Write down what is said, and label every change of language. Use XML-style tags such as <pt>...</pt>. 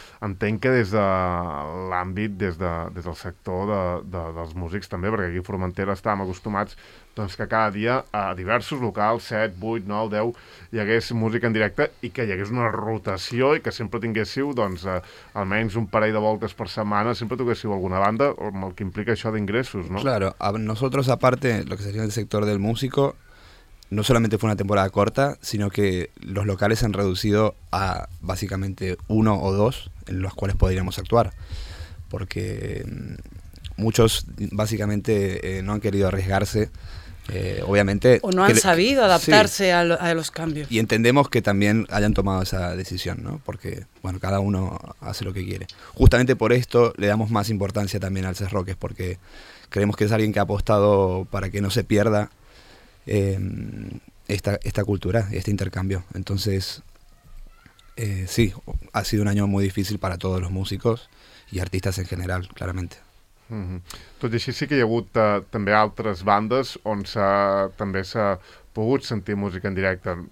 <ca>Entenc que des de l'àmbit, des del sector dels músics també, perquè aquí a Formentera estàvem acostumats que cada dia a diversos locals, 7, 8, 9, 10, hi hagués música en directe i que hi hagués una rotació i que sempre tinguéssiu almenys un parell de voltes per setmana, sempre toquéssiu alguna banda, amb el que implica això d'ingressos, no?</ca> <es>Claro, a nosotros, aparte, lo que sería el sector del músico, no solamente fue una temporada corta, sino que los locales se han reducido a básicamente uno o dos en los cuales podríamos actuar. Porque muchos básicamente no han querido arriesgarse Obviamente. O no han sabido adaptarse a los cambios. Y entendemos que también hayan tomado esa decisión, ¿no? Porque, bueno, cada uno hace lo que quiere. Justamente por esto le damos más importancia también al Cerroques, porque creemos que es alguien que ha apostado para que no se pierda esta cultura, este intercambio. Entonces, sí, ha sido un año muy difícil para todos los músicos y artistas en general, claramente.</es> <ca>Tot i així sí que hi ha hagut també altres bandes on també s'ha pogut sentir música en directe.</ca>